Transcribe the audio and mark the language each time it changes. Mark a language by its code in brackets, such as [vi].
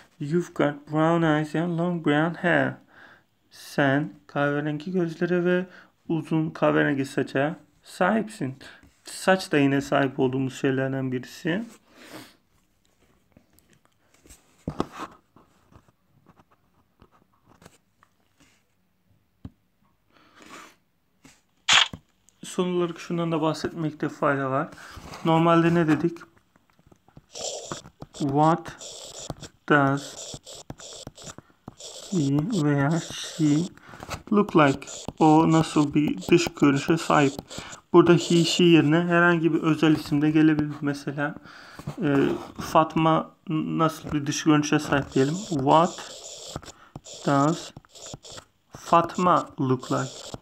[en] You've got brown eyes and long brown hair. [tr] Sen kahverengi gözlere ve uzun kahverengi saça sahipsin. Saç da yine sahip olduğumuz şeylerden birisi. Son olarak şundan da bahsetmekte fayda var. Normalde ne dedik? [en] What does he [tr] veya [en] she look like? [tr] O nasıl bir dış görünüşe sahip? Burada he yerine herhangi bir özel isim de gelebilir. Mesela Fatma nasıl bir dış görünüşe sahip diyelim. [en] What does Fatma look like?